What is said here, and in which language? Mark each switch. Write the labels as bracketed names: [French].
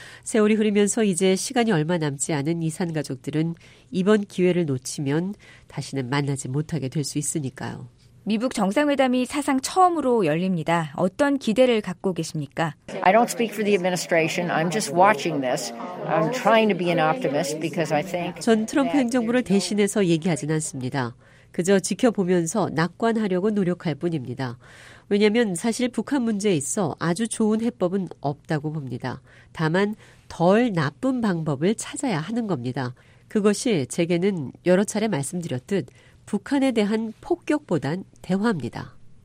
[Korean] 세월이 흐르면서 이제 시간이 얼마 남지 않은 이산가족들은 이번 기회를 놓치면 다시는 만나지 못하게 될 수 있으니까요. 미북 정상회담이 사상 처음으로 열립니다. 어떤 기대를 갖고 계십니까? [English] I don't speak for the administration. I'm just watching this. I'm trying to be an optimist because I think [Korean] 전 트럼프 행정부를 대신해서 얘기하진 않습니다. 그저 지켜보면서 낙관하려고 노력할 뿐입니다. 왜냐하면 사실 북한 문제에 있어 아주 좋은 해법은 없다고 봅니다. 다만 덜 나쁜 방법을 찾아야 하는 겁니다. 그것이 제게는 여러 차례 말씀드렸듯 북한에 대한 폭격보단 대화입니다.